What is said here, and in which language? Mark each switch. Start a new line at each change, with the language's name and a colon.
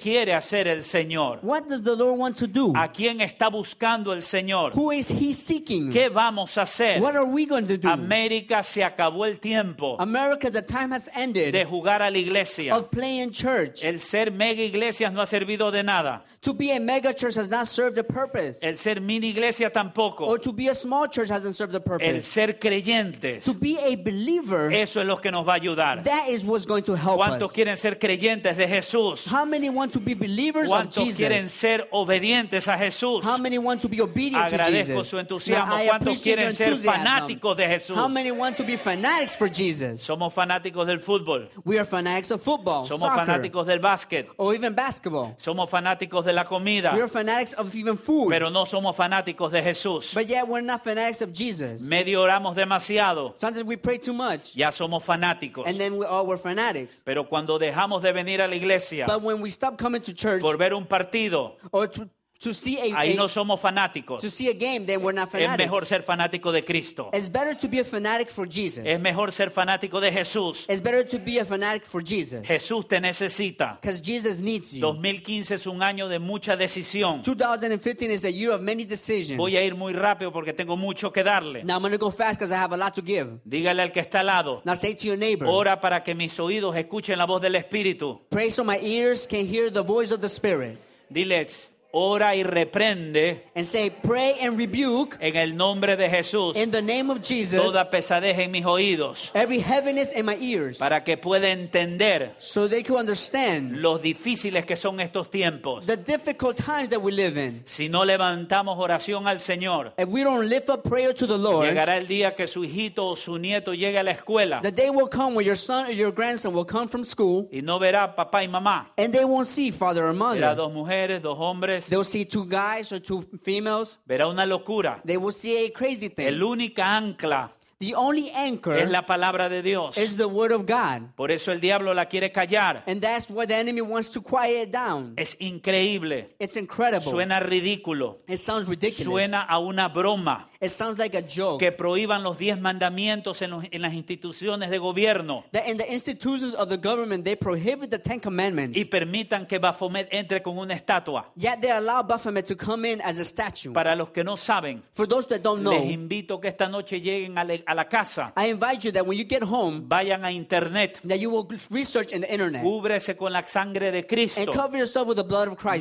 Spanish: quiere hacer el Señor?
English: What does the Lord want to do?
Spanish: ¿A quién está buscando el Señor?
English: Who is he seeking?
Spanish: ¿Qué vamos a hacer?
English: What are we going to do?
Spanish: América, se acabó el tiempo.
English: America, the time has ended.
Spanish: De jugar a la iglesia.
English: Of playing church.
Spanish: El ser mega iglesias no ha servido de nada.
English: To be a mega church has not served a purpose.
Spanish: El ser mini iglesia tampoco.
English: Or to be a small church hasn't served a purpose.
Spanish: El ser creyentes.
English: To be a believer.
Spanish: Eso es lo que nos va a ayudar.
English: That is what's going to help
Spanish: ¿cuánto
English: us?
Spanish: Quieren ser creyentes de Jesús?
English: How many want to be believers of Jesus?
Spanish: ¿Cuántos quieren ser obedientes a Jesús?
English: How many want to be obedient to Jesus?
Spanish: Agradezco su entusiasmo. ¿Cuántos quieren ser fanáticos de Jesús?
English: How many want to be fanatics for Jesus?
Spanish: Somos fanáticos del fútbol.
English: We are fanatics of football.
Spanish: Somos
English: soccer,
Spanish: fanáticos del básquet.
English: Or even basketball.
Spanish: Somos fanáticos de la comida.
English: We are fanatics of even food.
Spanish: Pero no somos fanáticos de Jesús.
English: But yet we're not fanatics of Jesus.
Spanish: Medio oramos demasiado.
English: Sometimes we pray too much.
Spanish: Ya somos fanáticos.
English: And then we're fanatics.
Spanish: Pero cuando dejamos de venir a la iglesia
English: church,
Spanish: por ver un partido ahí no somos fanáticos.
English: To see a game, then we're not fanatics.
Spanish: Es mejor ser fanático de Cristo.
English: It's better to be a fanatic for Jesus.
Spanish: Es mejor ser fanático de Jesús.
English: It's better to be a fanatic for Jesus.
Spanish: Jesús te necesita.
English: Because Jesus needs you.
Spanish: 2015 es un año de mucha decisión.
English: 2015 is a year of many decisions.
Spanish: Voy a ir muy rápido porque tengo mucho que darle.
English: Now I'm going to go fast because I have a lot to give.
Spanish: Dígale al que está al lado.
English: Now say to your neighbor.
Spanish: Ora para que mis oídos escuchen la voz del Espíritu.
English: Pray so my ears can hear the voice of the Spirit.
Spanish: Dile, ora y reprende,
English: and say, pray and rebuke,
Spanish: en el nombre de Jesús,
English: in the name of Jesus,
Spanish: toda pesadez en mis oídos,
English: every heaviness in my ears,
Spanish: para que pueda entender,
English: so they can understand,
Spanish: los difíciles que son estos tiempos,
English: the difficult times that we live in.
Spanish: Si no levantamos oración al Señor,
English: if we don't lift up prayer to the Lord,
Spanish: llegará el día que su hijito o su nieto llegue a la escuela,
English: the day will come when your son or your grandson will come from school,
Spanish: y no verá papá y mamá,
English: and they won't see father or mother.
Spanish: Verá dos mujeres, dos hombres.
English: They'll see two guys or two females.
Spanish: Verá una locura.
English: They will see a crazy thing.
Spanish: El único ancla,
English: the only anchor,
Spanish: es la palabra de Dios.
English: Is the word of God.
Spanish: Por eso el diablo la quiere callar.
English: And that's what the enemy wants to quiet down.
Spanish: Es increíble.
English: It's incredible.
Spanish: Suena ridículo.
English: It sounds ridiculous.
Spanish: Suena a una broma.
English: It sounds like a joke.
Spanish: Que prohíban los 10 mandamientos en las instituciones de gobierno.
English: That in the institutions of the government they prohibit the 10 commandments.
Spanish: Y permitan que Baphomet entre con una estatua.
English: Yet they allow Baphomet to come in as a statue.
Spanish: Para los que no saben,
English: for those that don't know,
Spanish: les invito que esta noche lleguen a la casa.
English: I invite you that when you get home,
Spanish: vayan a internet.
English: That you will research in the internet.
Spanish: Cúbrese con la sangre de Cristo.
English: And cover yourself with the blood of Christ.